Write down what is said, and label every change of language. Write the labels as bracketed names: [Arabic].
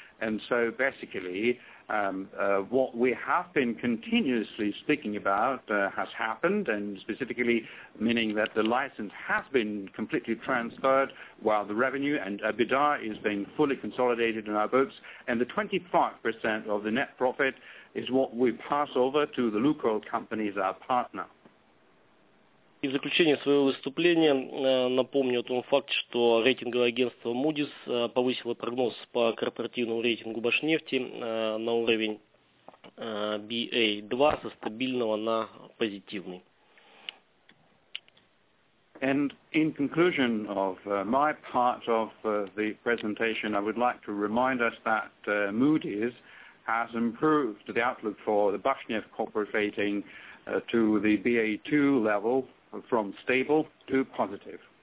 [English] And so basically what we have been continuously speaking about has happened, and specifically meaning that the license has been completely transferred while the revenue and EBITDA is being fully consolidated in our books, and the 25% of the net profit is what we pass over to the Lukoil company as our partner. [Russian] И в заключение своего выступления напомню о том факте, что рейтинговое агентство Moody's повысило прогноз по корпоративному рейтингу Башнефти на уровень BA2 со стабильного на позитивный. [English] And in conclusion of my part of the presentation, I would like to remind us that Moody's has improved the outlook for the Башнефть corporate rating to the BA2 level. From stable to positive.